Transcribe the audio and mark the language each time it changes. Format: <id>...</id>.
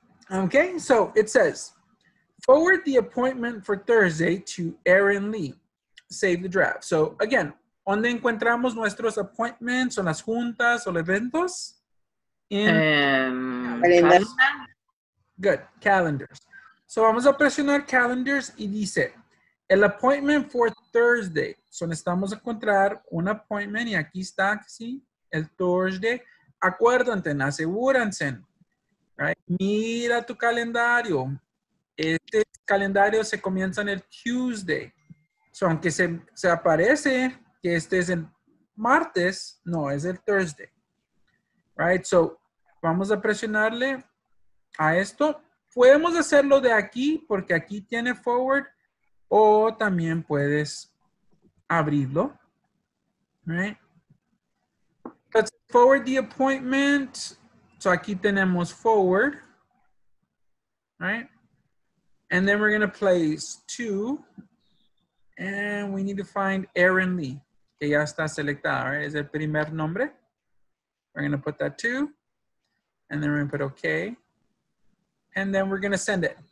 <en>Okay, so it says, forward the appointment for Thursday to Aaron Lee. Save the draft.</en> <es>So again, ¿dónde encontramos nuestros appointments o las juntas o eventos?</es> <en>In Good.</en> <es>Calendars. So vamos a presionar calendars y dice, el appointment for Thursday. So necesitamos encontrar un appointment y aquí está, sí, el Thursday. Acuérdense, asegúrense. Right? Mira tu calendario. Este calendario se comienza en el Tuesday. So aunque se aparece que este es el martes, no, es el Thursday. Right? So vamos a presionarle a esto. Podemos hacerlo de aquí porque aquí tiene forward o también puedes abrirlo.</es> <en>Right? Let's forward the appointment.</en> <es>So aquí tenemos forward.</es> <en>Right? And then we're going to place two. And we need to find Aaron Lee.</en> <es>Que ya está selectada. Right? Es el primer nombre.</es> <en>We're going to put that two. And then we're going to put okay. And then we're going to send it.</en>